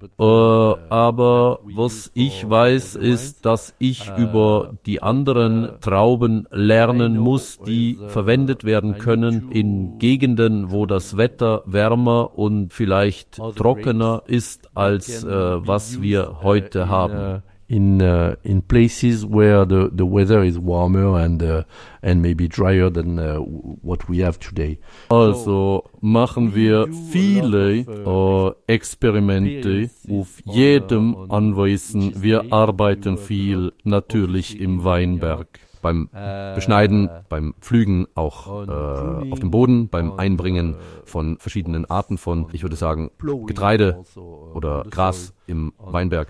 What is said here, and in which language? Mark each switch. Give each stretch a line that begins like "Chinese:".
German: Aber was ich weiß, ist, dass ich über die anderen Trauben lernen muss, die verwendet werden können in Gegenden, wo das Wetter wärmer und vielleicht trockener ist, als was wir heute haben.
English: In places where the weather is warmer and maybe drier than what we have today.
German: Also machen wir viele Experimente auf jedem Anwesen. Wir arbeiten viel natürlich im Weinberg. Beim Beschneiden, beim Pflügen, auch auf dem Boden, beim Einbringen von verschiedenen Arten von, ich würde sagen, Getreide oder Gras im Weinberg.